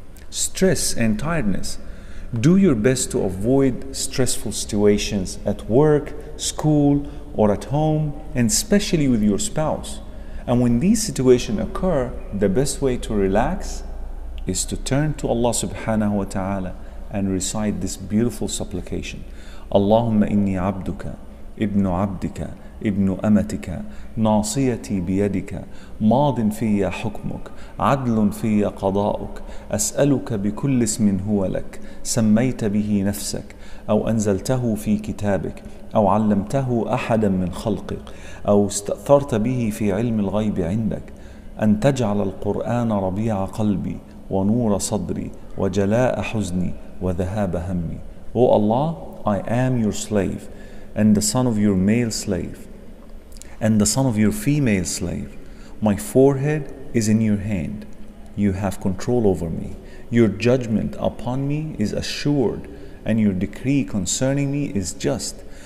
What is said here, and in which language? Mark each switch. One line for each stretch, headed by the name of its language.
English: Stress and tiredness. Do your best to avoid stressful situations at work, school, or at home, and especially with your spouse. And when these situations occur, the best way to relax is to turn to Allah subhanahu wa ta'ala and recite this beautiful supplication.
Arabic: Allahumma inni abduka, ibn abdika, ابن أمتك ناصيتي بيدك ماض في حكمك عدل في قضاءك أسألك بكل اسم هو لك سميت به نفسك أو أنزلته في كتابك أو علمته أحدا من خلقك أو استأثرت به في علم الغيب عندك أن تجعل القرآن ربيع قلبي ونور صدري وجلاء حزني وذهاب همي.
English: O Allah, I am your slave and the son of your male slave, and the son of your female slave. My forehead is in your hand. You have control over me. Your judgment upon me is assured, and your decree concerning me is just.